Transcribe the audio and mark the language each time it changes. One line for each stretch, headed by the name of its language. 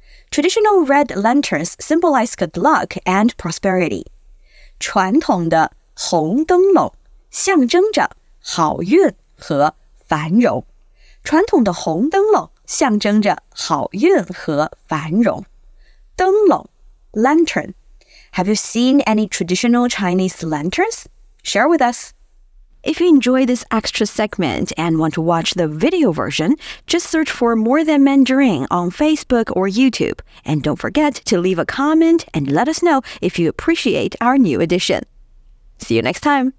English: Traditional red lanterns symbolize good luck and prosperity.
Chinese: 传统的 红灯笼象征着好运和繁荣。传统的红灯笼象征着好运和繁荣。灯笼, lantern.
English: Have you seen any traditional Chinese lanterns? Share with us. If you enjoy this extra segment and want to watch the video version, just search for More Than Mandarin on Facebook or YouTube. And don't forget to leave a comment and let us know if you appreciate our new edition. See you next time.